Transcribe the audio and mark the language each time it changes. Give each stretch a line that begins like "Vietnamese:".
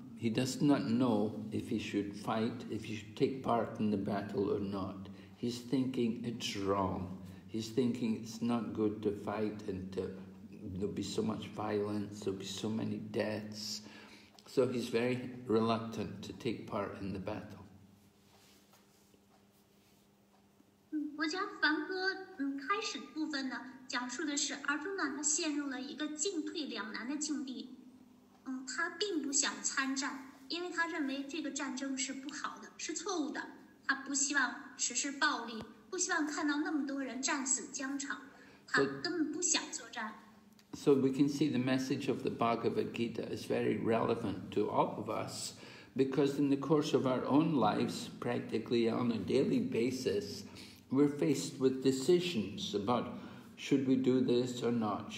English: He does not know if he should fight, if he should take part in the battle or not. He's thinking it's wrong. He's thinking it's not good to fight and there'll be so much violence, there'll be so many deaths. So he's very reluctant to take part in the battle.
Chinese: 国家梵歌开始部分呢，讲述的是阿朱娜他陷入了一个进退两难的境地。他并不想参战，因为他认为这个战争是不好的，是错误的。他不希望实施暴力，不希望看到那么多人战死疆场，他根本不想作战。
English: So we can see the message of the Bhagavad Gita is very relevant to all of us, because in the course of our own lives, practically on a daily basis,we're faced with decisions about should we do this or not?